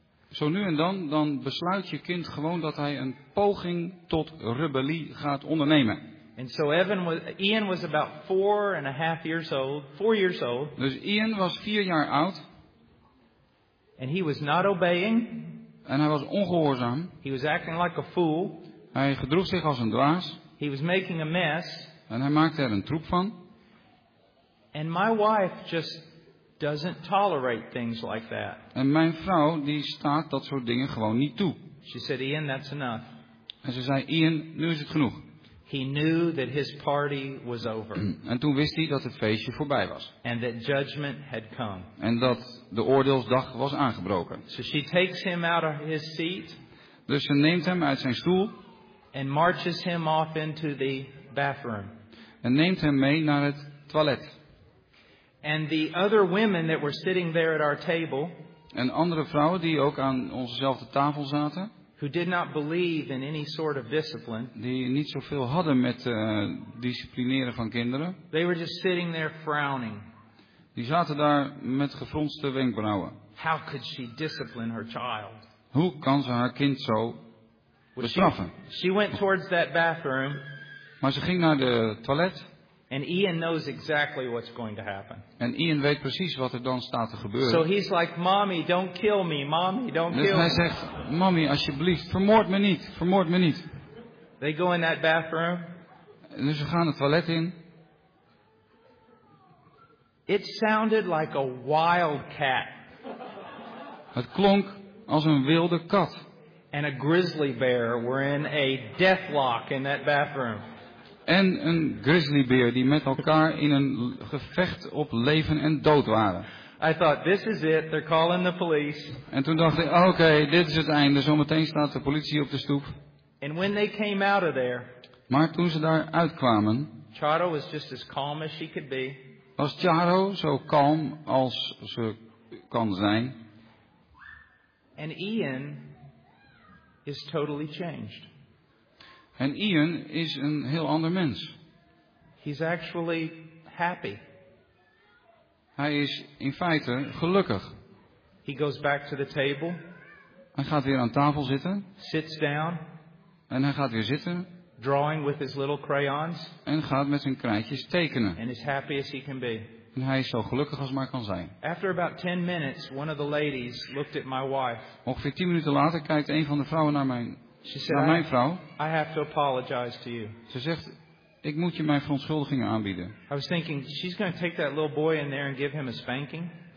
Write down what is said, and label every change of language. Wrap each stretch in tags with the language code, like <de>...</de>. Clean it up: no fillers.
<nl>Zo nu en dan, dan besluit je kind gewoon dat hij een poging tot rebellie gaat ondernemen.</nl> <en>And so Ian was about 4.5 years old, 4 years old.</en> <nl>Dus Ian was 4 jaar oud.</nl> <en>And he was not obeying.</en> <nl>En hij was ongehoorzaam.</nl> <en>He was acting like a fool.</en> <nl>Hij gedroeg zich als een dwaas.</nl> <en>He was making a mess.</en> <nl>En hij maakte er een troep van.</nl> <en>And my wife just doesn't tolerate things like that.</en> <nl>En mijn vrouw die staat dat soort dingen gewoon niet toe.</nl> <en>She said, Ian, that's enough.</en> <nl>En ze zei, Ian, nu is het genoeg.</nl> <en>He knew that his party was over.</en> <nl>En toen wist hij dat het feestje voorbij was.</nl> <en>And that judgment had come.</en> <nl>En dat de oordeelsdag was aangebroken.</nl> <en>So she takes him out of his seat.</en> <nl>Dus ze neemt hem uit zijn stoel.</nl> <en>And marches him off into the bathroom.</en> <nl>En neemt hem mee naar het toilet.</nl> <en>And the other women that were sitting there at our table.</en> <nl>En andere vrouwen die ook aan onzezelfde tafel zaten.</nl> <en>Who did not believe in any sort of discipline.</en> <nl>Die niet zoveel hadden met disciplineren van kinderen.</nl> <en>They were just sitting there frowning.</en> <nl>Die zaten daar met gefronste wenkbrauwen.</nl> <en>How could she discipline her child?</en> <nl>Hoe kan ze haar kind zo bestraffen?</nl> <en>She went towards that bathroom.</en> <nl>Maar ze ging naar de toilet.</nl> <en>And Ian knows exactly what's going to happen.</en> <nl>En Ian weet precies wat er dan staat te gebeuren.</nl> <en>So he's like, "Mommy, don't kill me. Mommy, don't kill me."</en> <nl>Dus hij zegt, "Mommy, alsjeblieft, vermoord me niet. Vermoord me niet."</nl> <en>They go in that bathroom.</en> <nl>En dus ze gaan het toilet in.</nl> <en>It sounded like a wild cat.</en> <nl>Het klonk als een wilde kat.</nl> <en>And a grizzly bear were in a deathlock in that bathroom.</en> <nl>En een grizzlybeer die met elkaar in een gevecht op leven en dood waren.</nl> <en>I thought, this is it. They're calling the police.</en> <nl>En toen dacht ik, okay, dit is het einde. Zometeen staat de politie op de stoep.</nl> <en>And when they came out of there,</en> <nl>maar toen ze daar uitkwamen,</nl> <en>Charo was just as calm as she could be.</en> <nl>Was Charo zo kalm als ze kan zijn.</nl> <en>And Ian is totally changed.</en> <nl>En Ian is een heel ander mens.</nl> <en>He's actually happy.</en> <nl>Hij is in feite gelukkig.</nl> <en>He goes back to the table.</en> <nl>Hij gaat weer aan tafel zitten.</nl> <en>Sits down.</en> <nl>En hij gaat weer zitten.</nl> <en>Drawing with his little crayons.</en> <nl>En gaat met zijn krijtjes tekenen.</nl> <en>And as happy as he can be.</en> <nl>En hij is zo gelukkig als maar kan zijn.</nl> <en>After about 10 minutes, one of the ladies looked at my wife.</en> <nl>Ongeveer 10 minuten later kijkt een van de vrouwen naar mijn vrouw.</nl> <en>I have to apologize to you.</en> <nl>Ze zegt, ik moet je mijn verontschuldigingen aanbieden.</nl> <en>I was thinking, she's going to take that little boy in there and give him a spanking.</en>